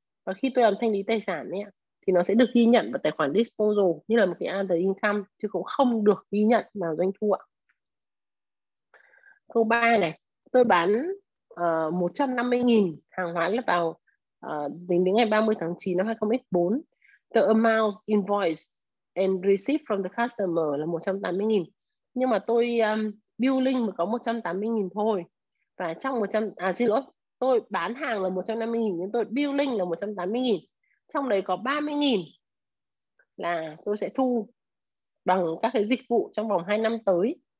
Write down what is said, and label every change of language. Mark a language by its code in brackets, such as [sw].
[vi] Và khi tôi làm thanh lý tài sản ấy, thì nó sẽ được ghi nhận vào tài khoản disposal như là một cái other income, chứ cũng không được ghi nhận vào doanh thu ạ. Câu 3 này, tôi bán 150.000 hàng hóa là vào đến ngày 30 tháng 9 năm 2024. [en] The amount invoice and receipt from the customer là 180.000. [vi] Nhưng mà tôi billing mới có 180.000 thôi. Và trong 100 à xin lỗi, tôi bán hàng là 150.000 nhưng tôi billing là 180.000. Trong đấy có 30.000 là tôi sẽ thu bằng các cái dịch vụ trong vòng 2 năm tới.